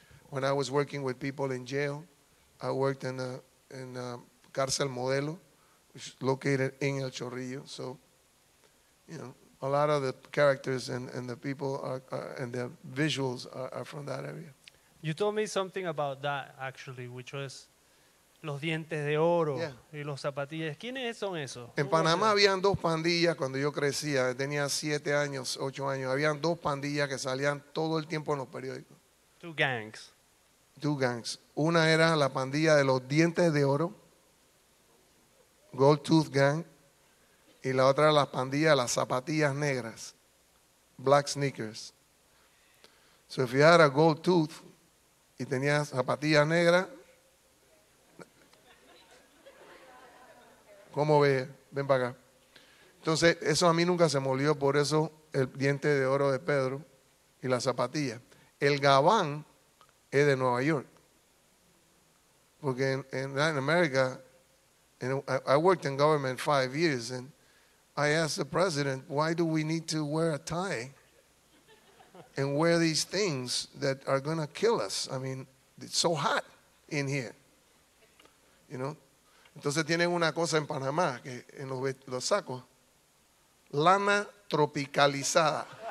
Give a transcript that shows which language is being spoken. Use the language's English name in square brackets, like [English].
[English] When I was working with people in jail, I worked in a Cárcel Modelo, which is located in El Chorrillo. So, you know, a lot of the characters and the people and the visuals are from that area. You told me something about that, actually, which was Los Dientes de Oro y Los Zapatillas. [Spanish] ¿Quiénes son esos? En Panamá habían dos pandillas cuando yo crecía. Tenía 7 años, 8 años. Habían dos pandillas que salían todo el tiempo en los periódicos. [English] Two gangs. [Spanish] Una era la pandilla de Los Dientes de Oro, [English] Gold Tooth Gang, [Spanish] y la otra la pandilla de Las Zapatillas Negras, [English] Black Sneakers. So if you had a gold tooth, [Spanish] y tenía zapatilla negra. ¿Cómo ve? Ven para acá. Entonces, eso a mí nunca se me olvidó, por eso el diente de oro de Pedro y la zapatilla. El gabán es de Nueva York. Porque en [English] Latin America, I worked in government 5 years, and I asked the president, why do we need to wear a tie and wear these things that are going to kill us? I mean, it's so hot in here, you know? [Spanish] Entonces tienen una cosa en Panamá, que en los sacos, lana tropicalizada.